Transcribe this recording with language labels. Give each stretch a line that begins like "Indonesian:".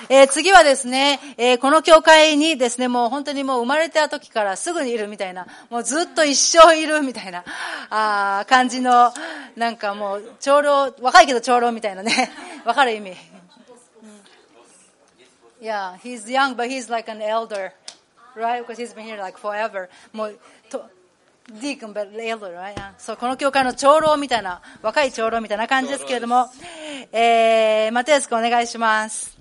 Japanese: 次はですね、この教会にですね、もう本当にもう生まれた時からすぐにいるみたいな、もうずっと一生いるみたいな、感じの、なんかもう、長老、若いけど長老みたいなね、わかる意味。
English: Yeah, he's young, but he's like an elder, right? Because he's been here like forever. もう、deacon, but elder, right? Yeah.
Japanese: So, この教会の長老みたいな、若い長老みたいな感じですけれども、マテウス君お願いします。